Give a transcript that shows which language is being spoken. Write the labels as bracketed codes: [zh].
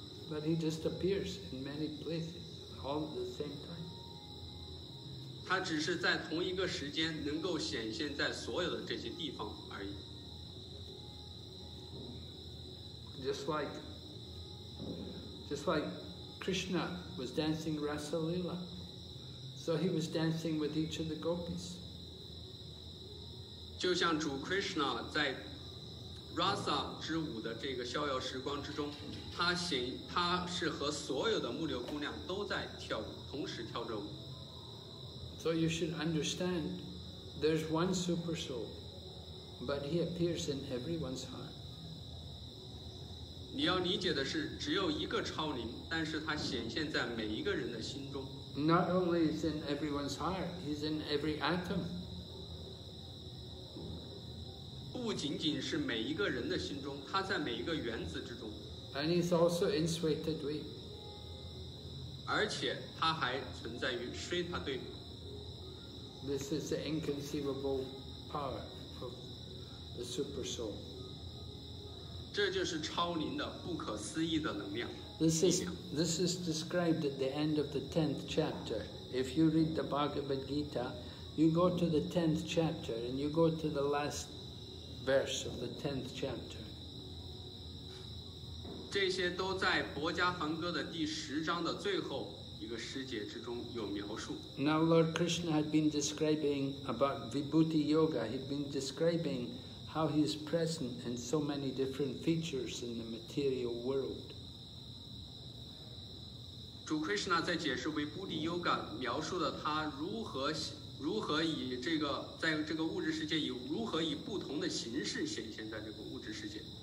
[en] But he just appears in many places all at the same time. [zh] 他只是在同一个时间能够显现在所有的这些地方而已。 [en] Just like Krishna was dancing Rasa Lila, so he was dancing with each of the gopis. [zh] 就像主 Krishna 在 Rasa 之舞的这个逍遥时光之中，他是和所有的牧牛姑娘都在跳舞，同时跳着舞。 [en] So you should understand, there's one super soul, but he appears in everyone's heart. [zh] 你要理解的是只有一个超灵，但是它显现在每一个人的心中。 [en] Not only is in everyone's heart, he's in every atom. [zh] 不仅仅是每一个人的心中，他在每一个原子之中。 [en] And he's also in Shweta Dweep. [zh] 而且他还存在于 Shweta Dweep. [en] This is the inconceivable power of the super soul. [zh] 这就是超灵的不可思议的能量。 [en] This is described at the end of the 10th chapter. If you read the Bhagavad Gita, you go to the 10th chapter and you go to the last verse of the 10th chapter. [zh] 这些都在《薄伽梵歌》的第十章的最后一个诗节之中有描述。 [en] Now Lord Krishna had been describing about Vibhuti Yoga. He'd been describing. How he is present in so many different features in the material world. [zh] 主 Krishna 在解释为 Vibhuti Yoga 描述了他如何以这个在这个物质世界以如何以不同的形式显现在这个物质世界。